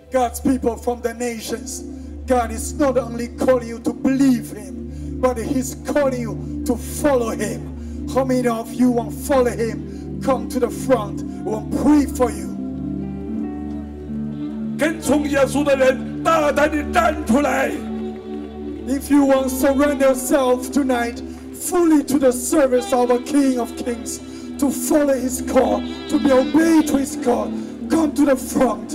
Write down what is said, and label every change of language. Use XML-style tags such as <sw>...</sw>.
<en>God's people from the nations, God is not only calling you to believe Him, but He's calling you to follow Him. How many of you want to follow Him? Come to the front. I want to pray for you.</en> <zh>跟从耶稣的人，大胆地站出来。</zh> <en>If you want to surrender yourself tonight fully to the service of our King of Kings, to follow His call, to be obeyed to His call, come to the front.</en>